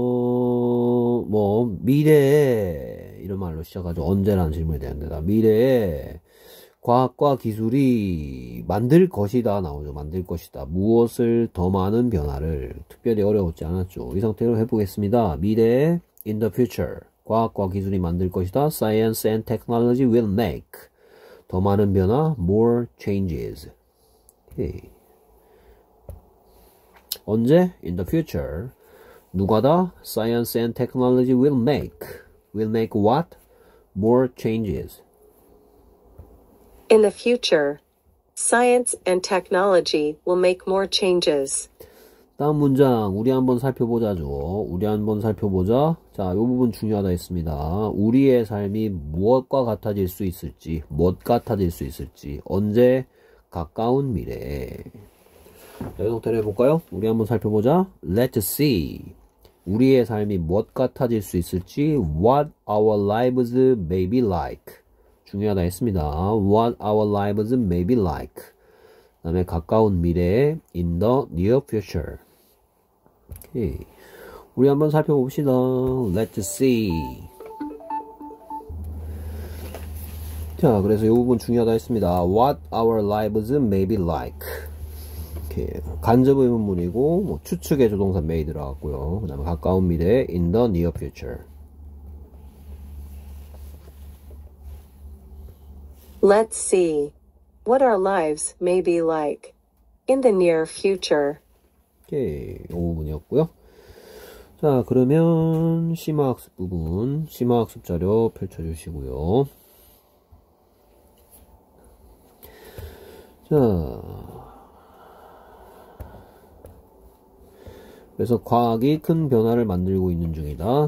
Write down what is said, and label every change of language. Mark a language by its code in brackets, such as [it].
[ko] 그래서 뭐 미래에 이런 말로 시작하죠. 언제라는 질문에 대한 대답. 미래에 과학과 기술이 만들 것이다 나오죠. 만들 것이다. 무엇을 더 많은 변화를 특별히 어렵지 않았죠. 이 상태로 해보겠습니다. 미래에 [en] in the future [ko] 과학과 기술이 만들 것이다. [en] Science and technology will make [ko] 더 많은 변화, [en] more changes. [ko] 오케이. 언제? [en] In the future. [ko] 누가다? [en] Science and technology will make. Will make what? More changes. In the future, science and technology will make more changes. [ko] 다음 문장, 우리 한번 살펴보자죠. 우리 한번 살펴보자. 자, 이 부분 중요하다 했습니다. 우리의 삶이 무엇과 같아질 수 있을지, 무엇 같아질 수 있을지, 언제 가까운 미래에. 대형태를 해볼까요? 우리 한번 살펴보자. [en] Let's see. [ko] 우리의 삶이 무엇 같아질 수 있을지, [en] what our lives may be like. [ko] 중요하다 했습니다. [en] What our lives may be like. [ko] 그다음에 가까운 미래에, [en] in the near future. 오케이. [ko] 우리 한번 살펴봅시다. [en] Let's see. [ko] 자, 그래서 이 부분 중요하다 했습니다. [en] What our lives may be like. [ko] 이렇게 간접 의문문이고 뭐 추측의 조동사 may 들어갔고요. 그다음에 가까운 미래에 [en] in the near future. Let's see what our lives may be like in the near future. [ko] 이렇게 이 부분이었고요. 자, 그러면 심화학습 부분, 심화학습 자료 펼쳐주시고요. 자, 그래서 과학이 큰 변화를 만들고 있는 중이다.